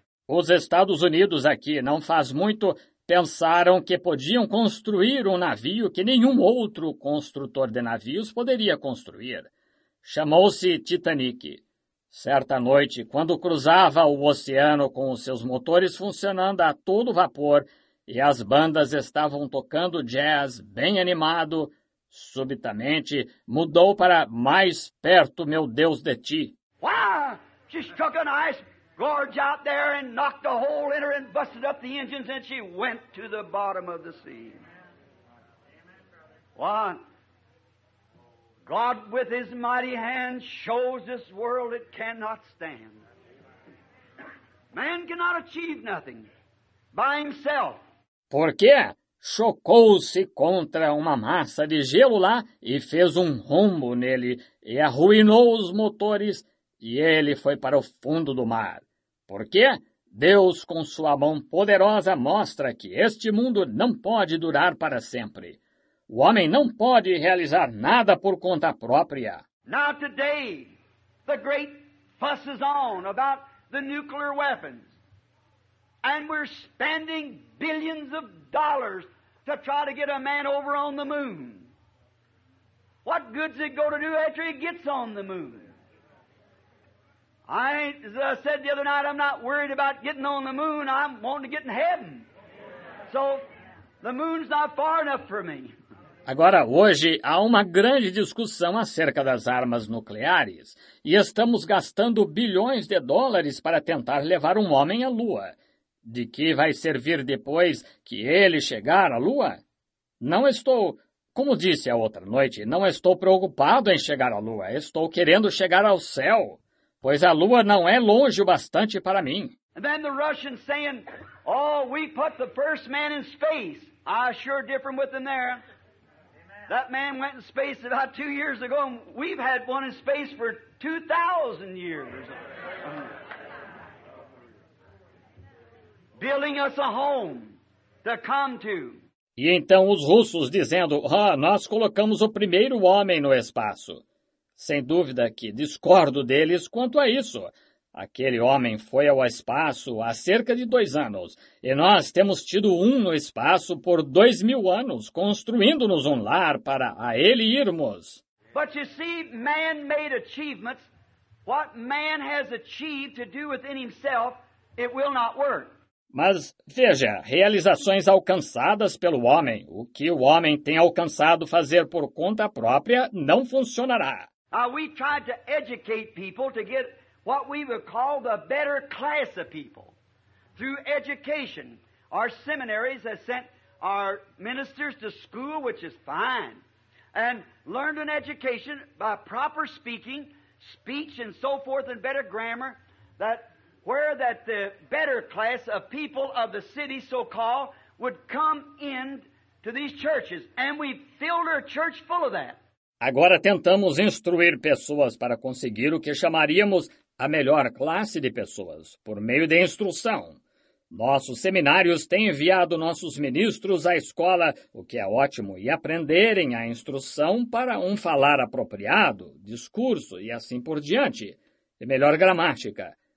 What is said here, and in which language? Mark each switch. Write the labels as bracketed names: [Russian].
[Portuguese] Os Estados Unidos aqui, não faz muito, pensaram que podiam construir um navio que nenhum outro construtor de navios poderia construir. Chamou-se Titanic. Certa noite, quando cruzava o oceano com os seus motores funcionando a todo vapor e as bandas estavam tocando jazz bem animado, subitamente mudou para Mais Perto, Meu Deus de Ti. [English] She struck an ice gorge out there and knocked a hole in her and busted up the engines and she went to the bottom of the sea. What? God with his mighty hand shows this world it cannot stand. Man cannot achieve nothing by himself. [Portuguese] Por quê? Chocou-se contra uma massa de gelo lá e fez um rombo nele e arruinou os motores e ele foi para o fundo do mar. Por quê? Deus, com sua mão poderosa, mostra que este mundo não pode durar para sempre. O homem não pode realizar nada por conta própria. [English] Now today, the great fuss is on about the nuclear weapons. And we're spending billions of dollars to try to get a man over on the moon. What good's it go to do after he gets on the moon? As I said the other night, I'm not worried about getting on the moon. I'm wanting to get in heaven. So the moon's not far enough for me. [Portuguese] Agora, hoje, há uma grande discussão acerca das armas nucleares, e estamos gastando bilhões de dólares para tentar levar um homem à Lua. De que vai servir depois que ele chegar à Lua? Não estou, como disse a outra noite, não estou preocupado em chegar à Lua, estou querendo chegar ao céu, pois a Lua não é longe o bastante para mim. [English] E then the Russians saying, oh, we put the first man in space. I sure different with them there. That man went in space about 2 years ago, and we've had one in space for 2,000 years. Building us a home to come to. [Portuguese] E então os russos dizendo, ah, nós colocamos o primeiro homem no espaço. Sem dúvida que discordo deles quanto a isso. Aquele homem foi ao espaço há cerca de 2 anos, e nós temos tido um no espaço por 2000 anos, construindo-nos um lar para a ele irmos. [English] But you see, man-made achievements, what man has achieved to do within himself, it will not work. [Portuguese] Mas veja, realizações alcançadas pelo homem, o que o homem tem alcançado fazer por conta própria, não funcionará. [English] We tried to educate people to get what we would call the better class of people through education. Our seminaries have sent our ministers to school, which is fine, and learned an education by proper speaking, speech and so forth, and better grammar, that where that the better class of people of the city, so-called, would come in to these churches. And we filled our church full of that. [Portuguese] Agora tentamos instruir pessoas para conseguir o que chamaríamos a melhor classe de pessoas, por meio de instrução. Nossos seminários têm enviado nossos ministros à escola, o que é ótimo, e aprenderem a instrução para um falar apropriado, discurso e assim por diante, e melhor gramática.